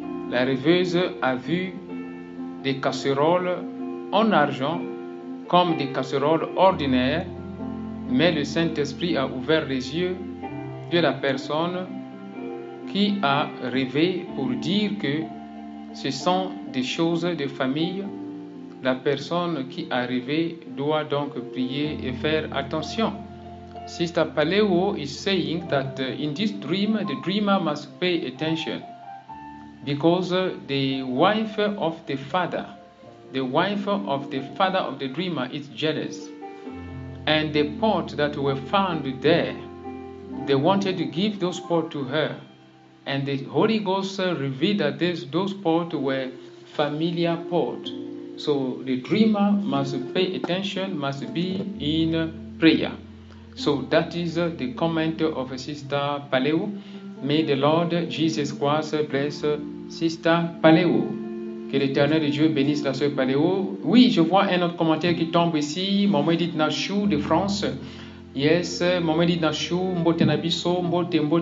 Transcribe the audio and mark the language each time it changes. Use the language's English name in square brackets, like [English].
[French] La rêveuse a vu des casseroles en argent comme des casseroles ordinaires, mais le Saint-Esprit a ouvert les yeux de la personne qui a rêvé pour dire que ce sont des choses de famille. La personne qui est arrivée doit donc prier et faire attention. [English] Sister Paléo is saying that in this dream, the dreamer must pay attention because the wife of the father, of the dreamer is jealous. And the pots that were found there, they wanted to give those pots to her. And the Holy Ghost revealed that those pots were familiar pots. So the dreamer must pay attention, must be in prayer. So that is the comment of Sister Paléo. May the Lord Jesus Christ bless Sister Paléo. [French] Que l'Éternel de Dieu bénisse la sœur Paléo. Oui, je vois un autre commentaire qui tombe ici. [Lingala] Maman Edith Nachou de France. [English] Yes, [Lingala] Maman Edith Nachou, Mbote Nabiso, Mbote.